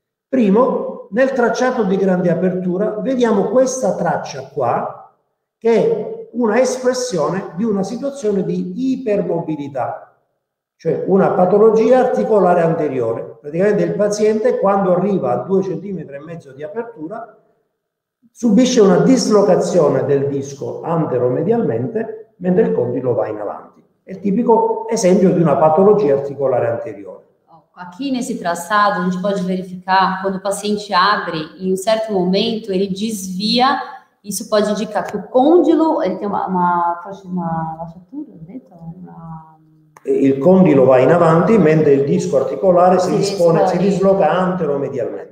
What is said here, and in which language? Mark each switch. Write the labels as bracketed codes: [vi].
[it] Primo, nel tracciato di grande apertura vediamo questa traccia qua, che è una espressione di una situazione di ipermobilità, cioè una patologia articolare anteriore. Praticamente il paziente, quando arriva a 2,5 cm di apertura, subisce una dislocazione del disco anteromedialmente mentre il condilo va in avanti. È il tipico esempio di una patologia articolare anteriore. [pt] Aqui nesse traçado, a gente pode verificar quando o paciente abre, [it] in un certo momento [pt] ele desvia. Isso pode indicar que o condilo ele tem uma lasciatura dentro? [it] Il condilo va in avanti mentre il disco articolare si disloca anteromedialmente.